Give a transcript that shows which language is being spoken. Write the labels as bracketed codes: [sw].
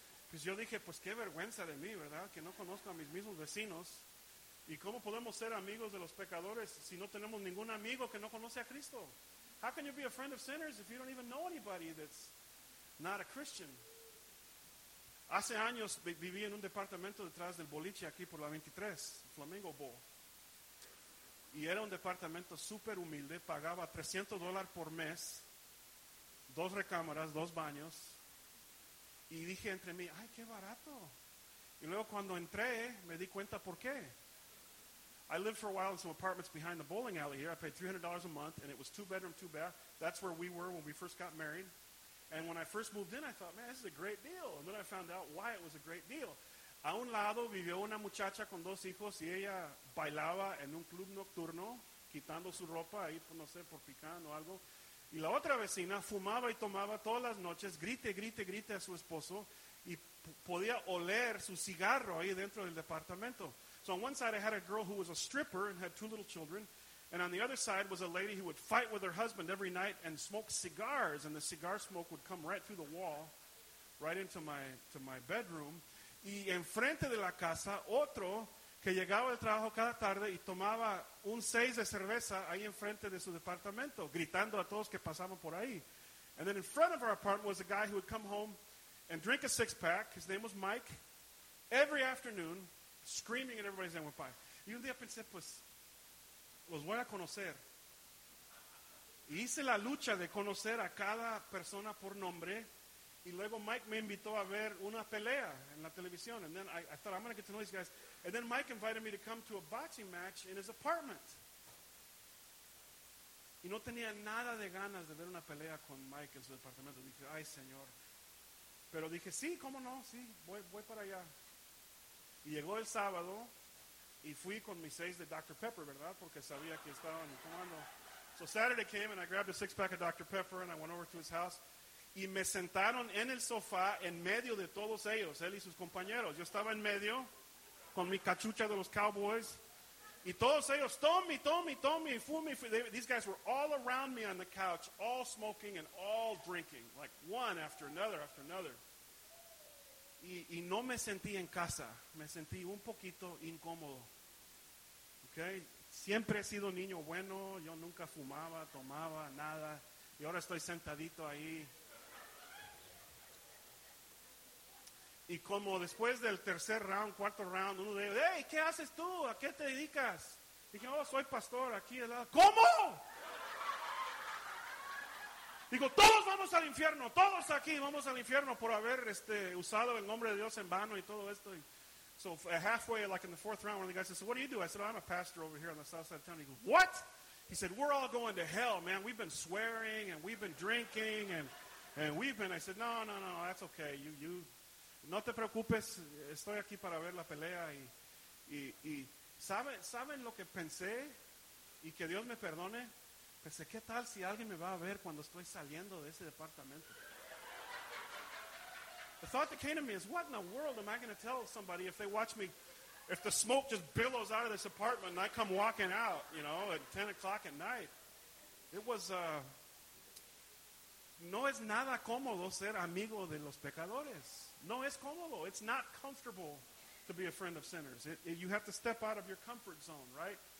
[es] Pues yo dije, pues, qué vergüenza de mí, ¿verdad? Que no conozco a mis mismos vecinos. ¿Y cómo podemos ser amigos de los pecadores si no tenemos ningún amigo que no conoce a Cristo? [en] How can you be a friend of sinners if you don't even know anybody that's not a Christian? [es] Hace años viví en un departamento detrás del boliche aquí por la 23, Flamingo Bowl. Y era un departamento súper humilde, pagaba $300 por mes, dos recámaras, dos baños. Y dije entre mí, ¡ay, qué barato! Y luego cuando entré, me di cuenta por qué. [en] I lived for a while in some apartments behind the bowling alley here. I paid $300 a month, and it was two bedroom, two bath. That's where we were when we first got married. And when I first moved in, I thought, man, this is a great deal. And then I found out why it was a great deal. [es] A un lado vivió una muchacha con dos hijos, y ella bailaba en un club nocturno, quitando su ropa ahí, no sé, por picando o algo. Y la otra vecina fumaba y tomaba todas las noches, grite, grite, grite a su esposo, y podía oler su cigarro ahí dentro del departamento. [en] So on one side, I had a girl who was a stripper and had two little children. And on the other side was a lady who would fight with her husband every night and smoke cigars. And the cigar smoke would come right through the wall, right into my bedroom. [es] Y enfrente de la casa, otro que llegaba al trabajo cada tarde y tomaba un seis de cerveza ahí enfrente de su departamento, gritando a todos que pasaban por ahí. [en] And then in front of our apartment was a guy who would come home and drink a six-pack. His name was Mike. Every afternoon, screaming at everybody as they went by. [es] Y un día pensé, pues, los voy a conocer. Y hice la lucha de conocer a cada persona por nombre. Y luego Mike me invitó a ver una pelea en la televisión. [en] And then I thought, I'm going to get to know these guys. And then Mike invited me to come to a boxing match in his apartment. [es] Y no tenía nada de ganas de ver una pelea con Mike en su departamento. Y dije, ay, señor. Pero dije, sí, cómo no, sí, voy para allá. Y llegó el sábado, y fui con mis seis de Dr. [en] Pepper, [es] ¿verdad? Porque sabía que estaban tomando. [en] So Saturday came, and I grabbed a six-pack of Dr. Pepper, and I went over to his house. [es] Y me sentaron en el sofá, en medio de todos ellos, él y sus compañeros. Yo estaba en medio, con mi cachucha de los Cowboys. Y todos ellos, Tommy, Tommy, Tommy, fumi, fumi. [en] These guys were all around me on the couch, all smoking and all drinking, like one after another after another. [es] Y no me sentí en casa. Me sentí un poquito incómodo. Okay? Siempre he sido niño bueno. Yo nunca fumaba, tomaba, nada. Y ahora estoy sentadito ahí. Y como después del tercer round, cuarto round, uno de ellos, hey, ¿qué haces tú? ¿A qué te dedicas? Dije, oh, soy pastor aquí al lado. ¿Cómo? Digo, todos vamos al infierno, todos aquí vamos al infierno por haber usado el nombre de Dios en vano y todo esto. [en] So halfway, like in the fourth round, one of the guys says, so what do you do? I said, oh, I'm a pastor over here on the south side of town. He goes, what? He said, we're all going to hell, man. We've been swearing and we've been drinking and we've been. I said, no, that's okay. [es] You, no te preocupes. Estoy aquí para ver la pelea. Y ¿saben lo que pensé? Y que Dios me perdone. Pensé, ¿qué tal si alguien me va a ver cuando estoy saliendo de ese departamento? [en] The thought that came to me is, what in the world am I going to tell somebody if they watch me, if the smoke just billows out of this apartment and I come walking out, you know, at 10 o'clock at night? It was, [es] no es nada cómodo ser amigo de los pecadores. No es cómodo. [en] It's not comfortable to be a friend of sinners. It, you have to step out of your comfort zone, right?